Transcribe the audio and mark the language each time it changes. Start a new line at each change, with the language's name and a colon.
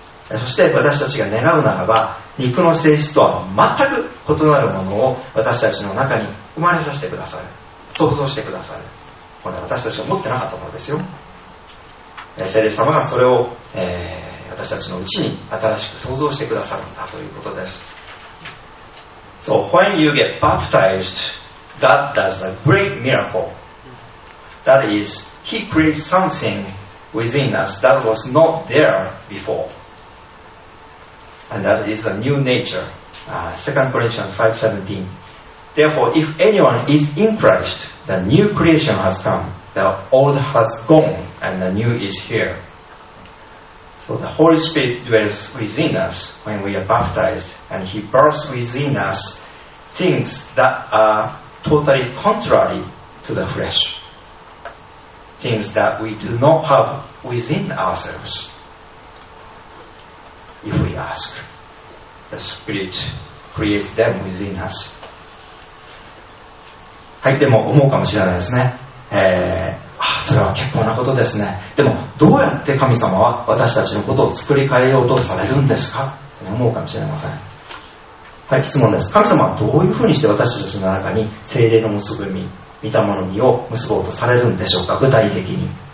Japanese: そして私たちが願うならば、肉の性質とは全く異なるものを私たちの中に生まれさせてください、創造してください。これは私たちが持ってなかったものですよ。聖霊様がそれを、私たちのうちに新しく創造してくださるんだということです。
English: So when you get baptized, God does a great miracle. That is, He creates something within us that was not there before. And that is a new nature. 2 Corinthians 5:17. Therefore, if anyone is in Christ, the new creation has come. The old has gone and the new is here. So the Holy Spirit dwells within us when we are baptized, and He births within us things that are totally contrary to the flesh. Things that we do not have within ourselves. If we ask, the Spirit creates them within us.
Japanese: はい、でも思うかもしれないですね。それは結構なことですね。でもどうやって神様は私たちのことを作り変えようとされるんですかって思うかもしれません。はい、質問です。神様はどういうふうにして私たちの中に聖霊の結び、御霊の実を結ぼうとされるんでしょうか、具体的に。